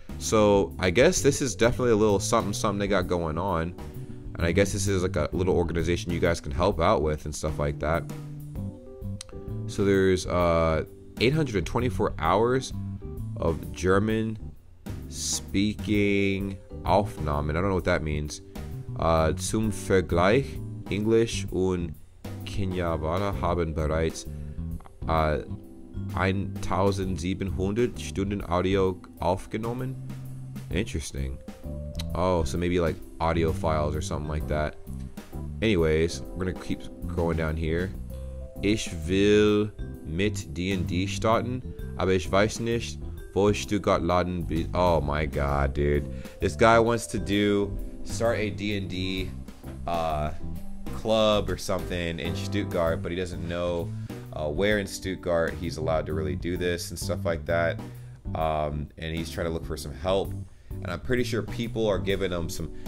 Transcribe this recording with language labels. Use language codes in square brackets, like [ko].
[en] So I guess this is definitely a little something they got going on. And I guess this is like a little organization you guys can help out with and stuff like that. So there's 824 hours of German speaking Aufnahmen. I don't know what that means. [de] Zum Vergleich, English und Kenyabana haben bereits 1700 Stunden Audio aufgenommen. [en] Interesting. Oh, so maybe like audio files or something like that. Anyways, we're gonna keep going down here. [de] Ich will mit D&D starten, aber ich weiß nicht, wo Stuttgart laden. [en] Oh my god, dude. This guy wants to start a D&D club or something in Stuttgart, but he doesn't know where in Stuttgart he's allowed to really do this and stuff like that. And he's trying to look for some help. And I'm pretty sure people are giving him some...